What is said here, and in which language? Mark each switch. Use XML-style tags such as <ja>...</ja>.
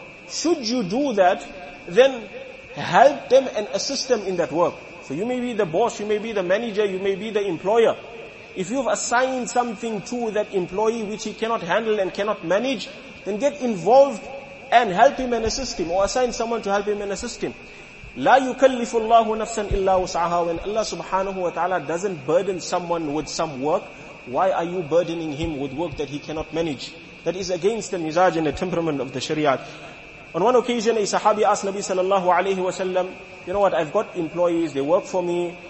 <en>Should you do that, then help them and assist them in that work. So you may be the boss, you may be the manager, you may be the employer. If you've assigned something to that employee which he cannot handle and cannot manage, then get involved and help him and assist him, or assign someone to help him and assist him.</en> <ar>لا يكلف الله نفسا إلا وسعها.</ar> <en>When Allah subhanahu wa ta'ala doesn't burden someone with some work, why are you burdening him with work that he cannot manage? That is against the mizaj and the temperament of the shariat. On one occasion, a sahabi asked Nabi sallallahu alayhi wa sallam, you know what, I've got employees, they work for me.</en>